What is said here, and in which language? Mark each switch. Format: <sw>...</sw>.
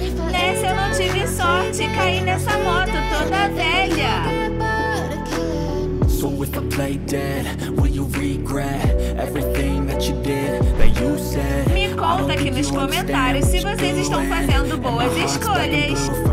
<pt>Nessa eu não tive sorte, caí nessa moto toda velha.</pt> <en>So if I play dead, will you regret everything that you did, that you said?</en> <pt>Me conta aqui nos comentários se vocês estão fazendo boas escolhas.</pt>